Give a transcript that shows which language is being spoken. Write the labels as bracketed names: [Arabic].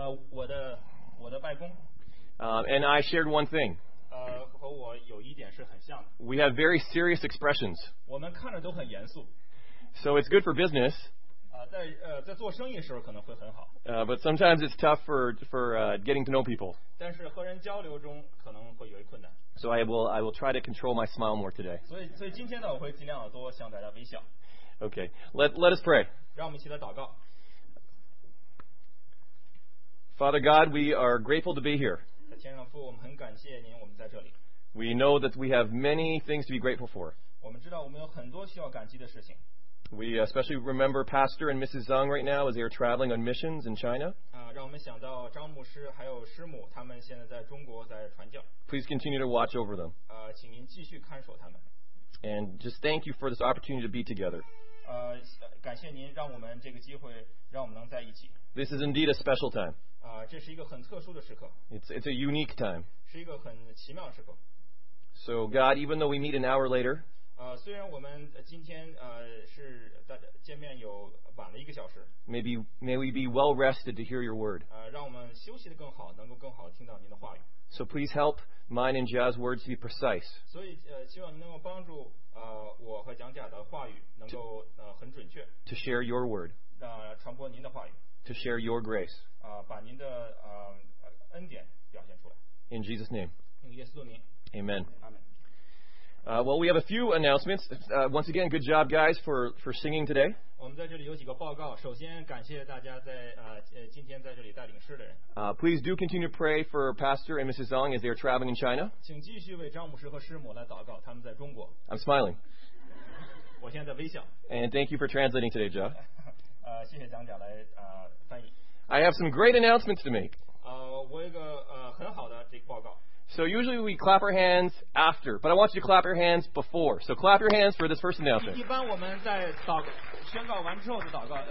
[Chinese] 我的外公。 [English] And I shared one thing. [Chinese] 和我有一点是很像的。 [English] We have very serious expressions. [Chinese] 我们看着都很严肃。 [English] So it's good for business. [Chinese] 在做生意时候可能会很好。 [English] But sometimes it's tough for getting to know people. [Chinese] 但是和人交流中可能会有一困难。 [English] So I will try to control my smile more today. [Chinese] 所以今天呢，我会尽量多向大家微笑。 [English] Okay, let us pray. [Chinese] 让我们一起来祷告。 [English] Father God, we are grateful to be here. [Chinese] 天上父，我们很感谢您，我们在这里。 [English] We know that we have many things to be grateful for. [Chinese] 我们知道我们有很多需要感激的事情。 [English] We especially remember Pastor and Mrs. Zhang right now as they are traveling on missions in China. [Chinese] 让我们想到张牧师还有师母，他们现在在中国在传教。 [English] Please continue to watch over them. [Chinese] 请您继续看守他们。 [English] And just thank you for this opportunity to be together. [Chinese] 感谢您让我们这个机会，让我们能在一起。 [English] This is indeed a special time. [Chinese] 这是一个很特殊的时刻。 [English] It's a unique time. [Chinese] 是一个很奇妙的时刻。 [English] So God, even though we meet an hour later. [Chinese] 虽然我们今天是见面有晚了一个小时。 [English] May we be well rested to hear your word. [Chinese] 让我们休息得更好，能够更好听到您的话语。 [English] So please help mine and Jia's words be precise. [Chinese] 所以希望您能够帮助我和蒋甲的话语能够很准确。 [English] To share your word. [Chinese] 传播您的话语。 [English] To share your grace. [Chinese] 把您的恩典表现出来。 [English] In Jesus' name. [Chinese] 用耶稣的名。 [English] Amen. Amen. Well, we have a few announcements. Once again, good job, guys, for singing today. [Chinese] 我们在这里有几个报告。首先，感谢大家在今天在这里带领诗的人。 [English] Please do continue to pray for Pastor and Mrs. Zhang as they are traveling in China. [Chinese] 请继续为张牧师和师母来祷告，他们在中国。 [English] I'm smiling. [Chinese] 我现在在微笑。 [English] And thank you for translating today, Jeff. [Chinese] 谢谢讲讲来翻译。 [English] I have some great announcements to make. [Chinese] 我有一个很好的这个报告。 [English] So usually we clap our hands after, but I want you to clap your hands before. So clap your hands for this first announcement. [Chinese] 一般我们在宣告完之后就祷告。